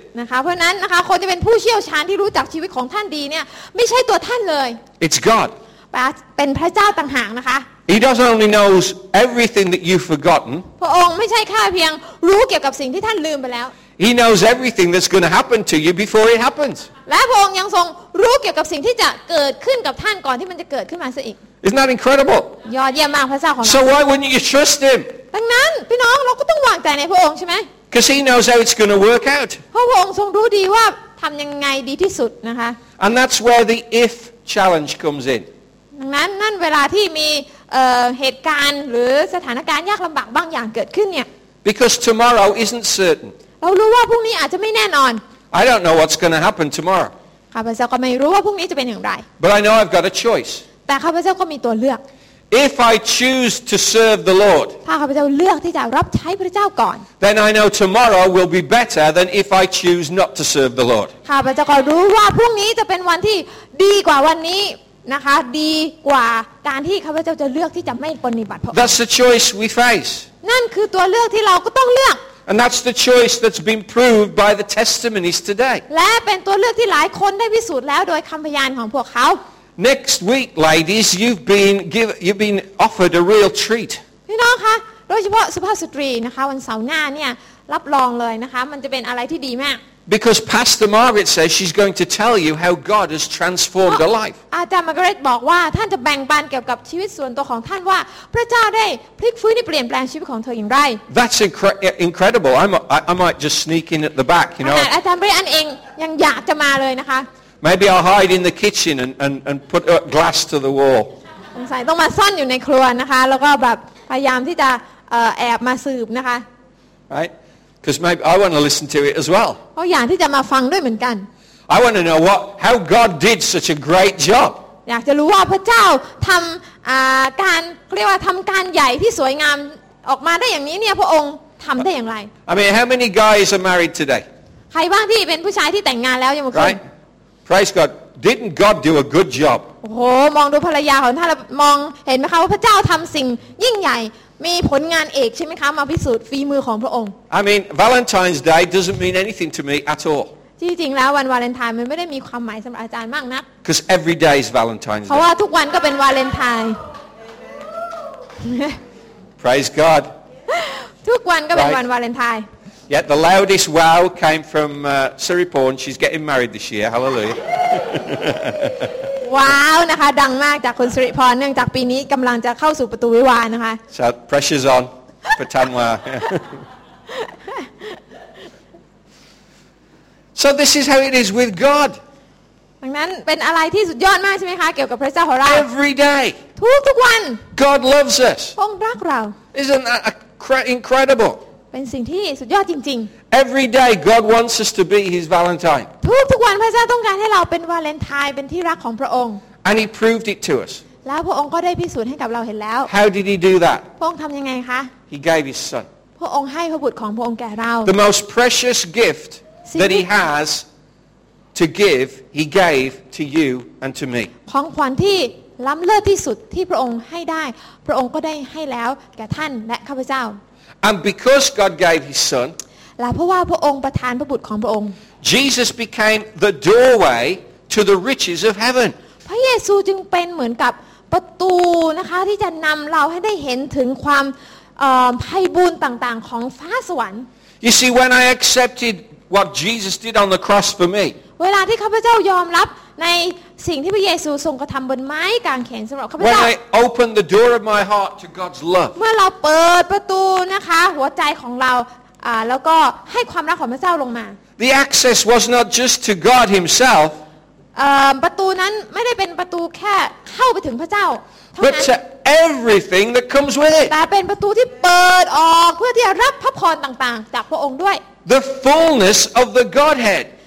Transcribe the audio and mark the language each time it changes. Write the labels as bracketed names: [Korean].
[Thai] นะคะเพราะนั้นนะคะคนที่เป็นผู้เชี่ยวชาญที่รู้จักชีวิตของท่านดีเนี่ยไม่ใช่ตัวท่านเลย [English] It's God [Thai] เป็นพระเจ้าต่างหากนะคะ [English] He doesn't only knows everything that you've forgotten [Thai] พระองค์ไม่ใช่แค่เพียงรู้เกี่ยวกับสิ่งที่ท่านลืมไปแล้ว [English] He knows everything that's going to happen to you before it happens [Thai] และพระองค์ยังทรงรู้เกี่ยวกับสิ่งที่จะเกิดขึ้นกับท่านก่อนที่มันจะเกิดขึ้นมาซะอีก [English] Isn't that incredible [Thai] ยอดเยี่ยมมากพระเจ้าของเรา [English] So why wouldn't you trust him [Thai] ดังนั้นพี่น้องเราก็ต้องวางใจในพระองค์ใช่ไหม [English] Because he knows how it's going to work out [Thai] เพราะพระองค์ทรงรู้ดีว่าทำยังไงดีที่สุดนะคะ [English] And that's where the if challenge comes in [Thai] ดังนั้นนั่นเวลาที่มีเหตุการณ์หรือสถานการณ์ยากลำบากบางอย่างเกิดขึ้นเนี่ย [English] Because tomorrow isn't certain [Thai] เรารู้ว่าพรุ่งนี้อาจจะไม่แน่นอน [English] I don't know what's going to happen tomorrow. [Thai] ข้าพเจ้าก็ไม่รู้ว่าพรุ่งนี้จะเป็นอย่างไร [English] But I know I've got a choice. [Thai] แต่ข้าพเจ้าก็มีตัวเลือก [English] If I choose to serve the Lord. [Thai] ถ้าข้าพเจ้าเลือกที่จะรับใช้พระเจ้าก่อน [English] Then I know tomorrow will be better than if I choose not to serve the Lord. [Thai] ข้าพเจ้าก็รู้ว่าพรุ่งนี้จะเป็นวันที่ดีกว่าวันนี้นะคะดีกว่าการที่ข้าพเจ้าจะเลือกที่จะไม่ปฏิบัติ [English] That's the choice we face. [Thai] นั่นคือตัวเลือกที่เราก็ต้องเลือก [English] And that's the choice that's been proved by the testimonies today. [Thai] และเป็นตัวเลือกที่หลายคนได้พิสูจน์แล้วโดยคำพยานของพวกเขา [English] Next week, ladies, you've been offered a real treat. [Thai] พี่น้องคะโดยเฉพาะสุภาพสตรีนะคะวันเสาร์หน้าเนี่ยรับรองเลยนะคะมันจะเป็นอะไรที่ดีมาก [English] Because Pastor Margaret says she's going to tell you how God has transformed her life. [Thai] อาจารย์มาร์กาเร็ตบอกว่าท่านจะแบ่งปันเกี่ยวกับชีวิตส่วนตัวของท่านว่าพระเจ้าได้พลิกฟื้นเปลี่ยนแปลงชีวิตของเธออย่างไร [English] That's incredible. I might just sneak in at the back, you know. [Thai] อาจารย์มาร์กาเร็ตเองยังอยากจะมาเลยนะคะ [English] Maybe I'll hide in the kitchen and put a glass to the wall. [Thai] สงสัยต้องมาซ่อนอยู่ในครัวนะคะแล้วก็แบบพยายามที่จะแอบมาสืบนะคะ [English] Right. Because maybe I want to listen to it as well. [Thai] โอ้อยากที่จะมาฟังด้วยเหมือนกัน [English] I want to know what how God did such a great job. [Thai] อยากจะรู้ว่าพระเจ้าทำการเรียกว่าทำการใหญ่ที่สวยงามออกมาได้อย่างนี้เนี่ยพระองค์ทำได้อย่างไร [English] I mean, how many guys are married today? [Thai] ใครบ้างที่เป็นผู้ชายที่แต่งงานแล้วยังไม่เคย [English] Right. Praise God. Didn't God do a good job? [Thai] โอ้มองดูภรรยาของท่านมองเห็นไหมคะว่าพระเจ้าทำสิ่งยิ่งใหญ่มีผลงานเอกใช่ไหมคะมาพิสูจน์ฝีมือของพระองค์ [English] I mean Valentine's Day doesn't mean anything to me at all [Thai] ที่จริงแล้ววันวาเลนไทน์มันไม่ได้มีความหมายสำหรับอาจารย์มากนัก [English] Because every day is Valentine's [Thai] เพราะว่าทุกวันก็เป็นวาเลนไทน์ [English] Praise God [Thai] ทุกวันก็เป็นวันวาเลนไทน์ [English] Yet the loudest wow came from Siriporn she's getting married this year Hallelujah [Thai] ว้าวนะคะดังมากจากคุณสิริพรเนื่องจากปีนี้กำลังจะเข้าสู่ประตูวิวาห์นะคะใ [English] ช่ pressure's on for Tanwa so this is how it is with God [Thai] ดังนั้นเป็นอะไรที่สุดยอดมากใช่ไหมคะเกี่ยวกับพระเจ้าของเรา [English] every day [Thai] ทุกวัน [English] God loves us [Thai] พระองค์รักเรา [English] isn't that incredible [Thai] เป็นสิ่งที่สุดยอดจริง [English] ๆ every day God wants us to be His Valentine [Thai] ทุกวันพระเจ้าต้องการให้เราเป็นวาเลนไทน์เป็นที่รักของพระองค์ [English] And he proved it to us [Thai] แล้วพระองค์ก็ได้พิสูจน์ให้กับเราเห็นแล้ว [English] How did he do that [Thai] พระองค์ทำยังไงคะ [English] He gave his son [Thai] พระองค์ให้พระบุตรของพระองค์แก่เรา [English] The most precious gift that he has to give he gave to you and to me [Thai] ของขวัญที่ล้ำเลิศที่สุดที่พระองค์ให้ได้พระองค์ก็ได้ให้แล้วแก่ท่านและข้าพเจ้า [English] And because God gave his son [Thai] และเพราะว่าพระองค์ประทานพระบุตรของพระองค์ [English] Jesus became the doorway to the riches of heaven. [Thai] พระเยซูจึงเป็นเหมือนกับประตูนะคะที่จะนำเราให้ได้เห็นถึงความไพบูลย์ต่างๆของฟ้าสวรรค์ [English] You see, when I accepted what Jesus did on the cross for me, [Thai] เวลาที่ข้าพเจ้ายอมรับในสิ่งที่พระเยซูทรงกระทำบนไม้กางเขนสำหรับข้าพเจ้า [English] When I opened the door of my heart to God's love, [Thai] เมื่อเราเปิดประตูนะคะหัวใจของเราแล้วก็ให้ความรักของพระเจ้าลงมา [English] The access was not just to God Himself. [Thai] ประตูนั้นไม่ได้เป็นประตูแค่เข้าไปถึงพระเจ้า [English] But to everything that comes with it. [Thai] แต่เป็นประตูที่เปิดออกเพื่อที่จะรับพระพรต่างๆจากพระองค์ด้วย [English] The fullness of the Godhead.